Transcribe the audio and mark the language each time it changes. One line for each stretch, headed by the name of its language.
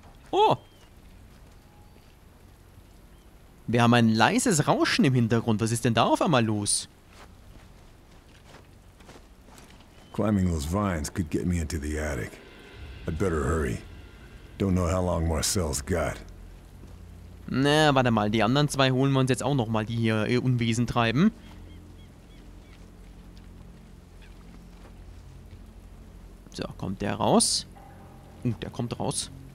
German: Oh! Wir haben ein leises Rauschen im Hintergrund. Was ist denn da auf einmal los?
English: Climbing those vines could get me into the attic. I'd better hurry. Don't know how long Marcel's got.
German: Na, warte mal, die anderen zwei holen wir uns jetzt auch nochmal, die hier ihr Unwesen treiben. So, kommt der raus? Der kommt raus.